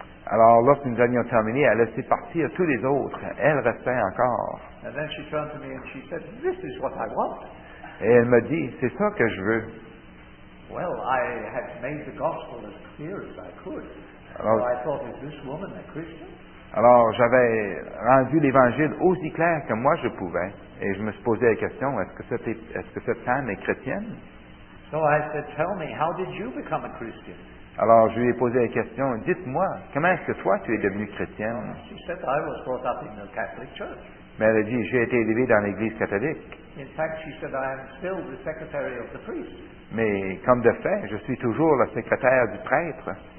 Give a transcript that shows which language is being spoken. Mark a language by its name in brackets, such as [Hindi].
[French] Alors lorsque nous avions terminé, elle a laissé partir tous les autres. Elle restait encore. [English] And then she turned to me and she said, "This is what I want." [French] Et elle m'a dit, c'est ça que je veux. [English] Well, I had made the gospel as clear as I could. Alors, so I thought, is this woman a Christian? [French] Alors, j'avais rendu l'Évangile aussi clair que moi je pouvais, et je me suis posé la question, est-ce que cette femme est chrétienne? [English] So I said, tell me, how did you become a Christian? [French] Alors, je lui ai posé la question, dites-moi, comment est-ce que toi tu es devenue chrétienne? [English] She said, I was brought up in a Catholic church. [French] Mais elle a dit, j'ai été élevé dans l'Église catholique. [English] In fact, she said, I am still the secretary of the priest. [French] Mais comme de fait, je suis toujours la secrétaire du prêtre.